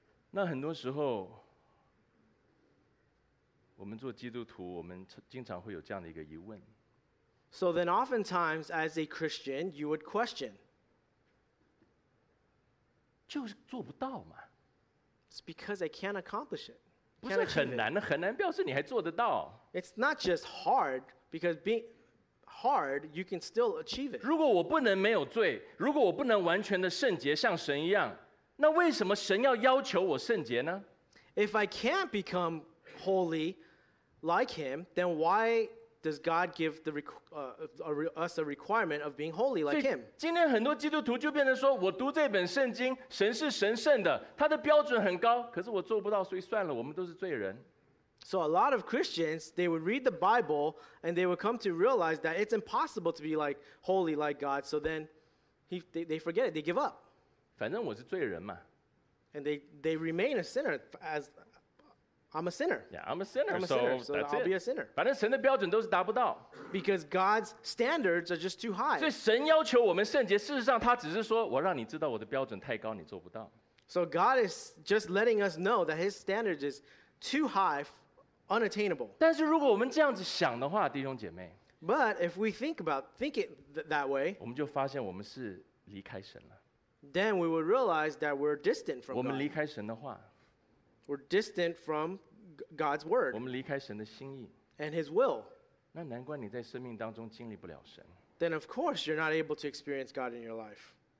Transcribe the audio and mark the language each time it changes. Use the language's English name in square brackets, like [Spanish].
[Chinese] 那很多时候我们做基督徒我们经常会有这样的一个疑问 [English] So then oftentimes as a Christian you would question [Chinese] 就是做不到嘛 [English] It's because I can't accomplish it. [Chinese] 不是很难的，很难表示你还做得到。 [English] It's not just hard because being hard, you can still achieve it. [Chinese] 如果我不能没有罪，如果我不能完全的圣洁像神一样，那为什么神要要求我圣洁呢 [English] ？If I can't become holy like him, then why does God give the us a requirement of being holy like Him? [Chinese] 今天很多基督徒就变成说，我读这本圣经，神是神圣的，他的标准很高，可是我做不到，所以算了，我们都是罪人。 [English] So a lot of Christians, they would read the Bible and they would come to realize that it's impossible to be like holy like God. So then they forget it, they give up. [Chinese] 反正我是罪人嘛。 [English] And they remain a sinner as I'm a sinner. Yeah, I'm a sinner. I'll be a sinner. [Chinese] 反正神的标准都是达不到。 [English] Because God's standards are just too high. [Chinese] 所以神要求我们圣洁，事实上他只是说我让你知道我的标准太高，你做不到。 [English] So God is just letting us know that His standards is too high, unattainable. [Chinese] 但是如果我们这样子想的话，弟兄姐妹。 [English] But if we think it that way, [Chinese] 我们就发现我们是离开神了。 [English] Then we would realize that we're distant from God. [Chinese] 我们离开神的话。 [English] We're distant from God's word. [Chinese] 我们离开神的心意。 [English] And His will. [Chinese] 那难怪你在生命当中经历不了神。 [English] Then of course you're not able to experience God in your life.